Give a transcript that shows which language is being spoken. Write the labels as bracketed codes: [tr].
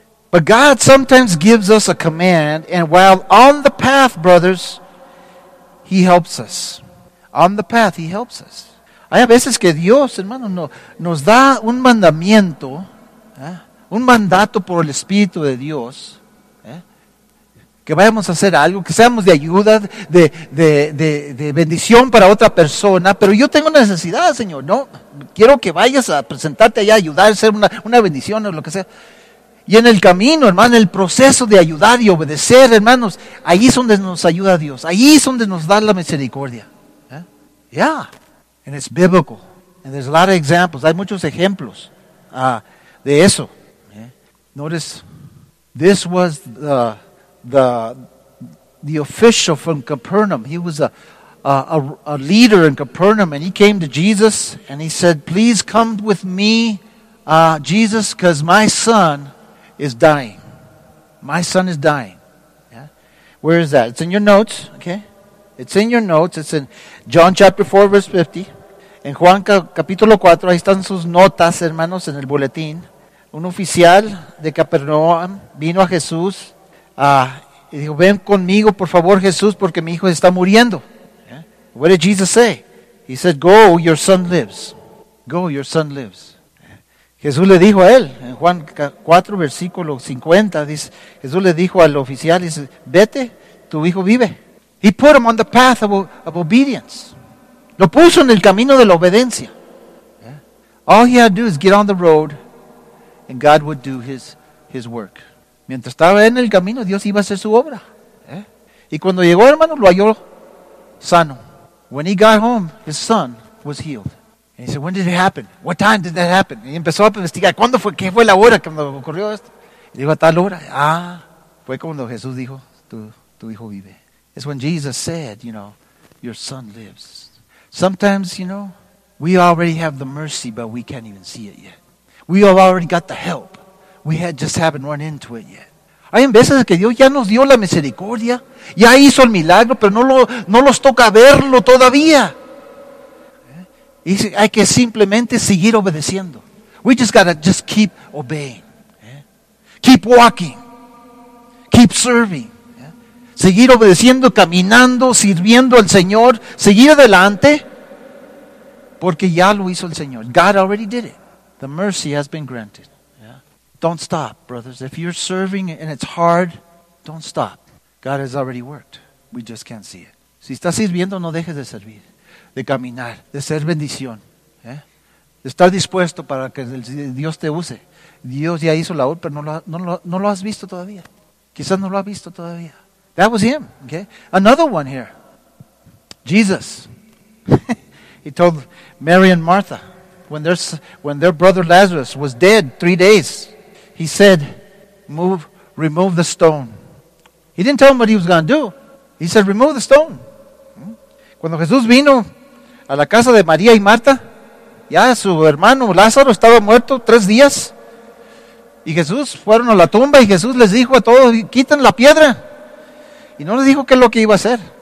[en] But God sometimes gives us a command, and while on the path, brothers, He helps us. On the path, He helps us. [es] Hay veces que Dios, hermano, nos da un mandamiento, un mandato por el Espíritu de Dios, que vayamos a hacer algo, que seamos de ayuda, de bendición para otra persona, pero yo tengo una necesidad, Señor, ¿no? Quiero que vayas a presentarte allá, ayudar, ser una bendición o lo que sea. Y en el camino, hermano, el proceso de ayudar y obedecer, hermanos, ahí es donde nos ayuda Dios, ahí es donde nos da la misericordia. [en] Yeah, and it's biblical, and there's a lot of examples, [es] hay muchos ejemplos de eso. [en] Notice, this was the official from Capernaum. He was a leader in Capernaum, and he came to Jesus and he said, please come with me, Jesus, because my son is dying. My son is dying. Yeah? Where is that? It's in your notes, okay? It's in your notes. It's in John chapter 4, verse 50. [es] En Juan capítulo 4, ahí están sus notas, hermanos, en el boletín. Un oficial de Capernaum vino a Jesús. Y dijo, ven conmigo, por favor, Jesús, porque mi hijo está muriendo. [en] Yeah. What did Jesus say? He said, go, your son lives. Go, your son lives. Yeah. [es] Jesús le dijo a él, en Juan 4, versículo 50, dice, Jesús le dijo al oficial, dice, vete, tu hijo vive. [en] He put him on the path of obedience. [es] Lo puso en el camino de la obediencia. Yeah. [en] All he had to do is get on the road, and God would do his work. [es] Mientras estaba en el camino, Dios iba a hacer su obra. ¿Eh? Y cuando llegó, hermano, lo halló sano. [en] When he got home, his son was healed. And he said, when did it happen? What time did that happen? [es] Y empezó a investigar, ¿cuándo fue? ¿Qué fue la hora cuando ocurrió esto? Y dijo, a tal hora. Ah, fue cuando Jesús dijo, tu hijo vive. [en] It's when Jesus said, you know, your son lives. Sometimes, you know, we already have the mercy, but we can't even see it yet. We have already got the help. We just haven't run into it yet. [es] Hay veces que Dios ya nos dio la misericordia. Ya hizo el milagro, pero no los toca verlo todavía. Y hay que simplemente seguir obedeciendo. [en] We just gotta just keep obeying. Keep walking. Keep serving. [es] Seguir obedeciendo, caminando, sirviendo al Señor. Seguir adelante. Porque ya lo hizo el Señor. [en] God already did it. The mercy has been granted. Yeah. Don't stop, brothers. If you're serving and it's hard, don't stop. God has already worked. We just can't see it. [es] Si estás sirviendo, no dejes de servir, de caminar, de ser bendición. ¿Eh? De estar dispuesto para que Dios te use. Dios ya hizo la obra, pero no lo has visto todavía. Quizás no lo has visto todavía. [en] That was him. Okay? Another one here. Jesus. He told Mary and Martha, when their brother Lazarus was dead 3 days, he said, remove the stone. He didn't tell them what he was going to do. He said, remove the stone. [es] Cuando Jesús vino a la casa de María y Marta, ya su hermano Lázaro estaba muerto 3 días. Y Jesús fueron a la tumba y Jesús les dijo a todos, quiten la piedra. Y no les dijo qué es lo que iba a hacer.